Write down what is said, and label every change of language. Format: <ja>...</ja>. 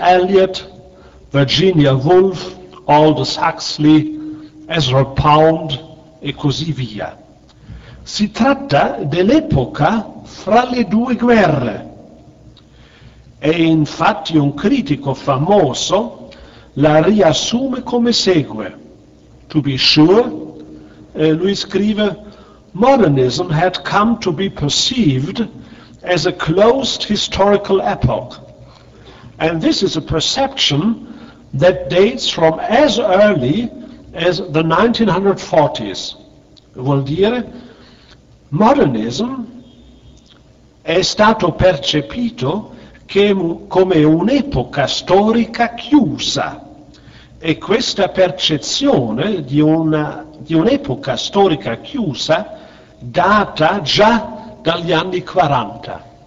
<it>Eliot, Virginia Woolf, Aldous Huxley, Ezra Pound e così via. Si tratta dell'epoca fra le due guerre. E infatti un critico famoso la riassume come segue.</it> <en>To be sure,</en> <it>lui scrive,</it> <en>modernism had come to be perceived as a closed historical epoch. And this is a perception that dates from as early as the 1940s.</en> <it>Vuol dire, modernism è stato percepito come un'epoca storica chiusa. E questa percezione di un'epoca storica chiusa data già dagli anni 40.</it>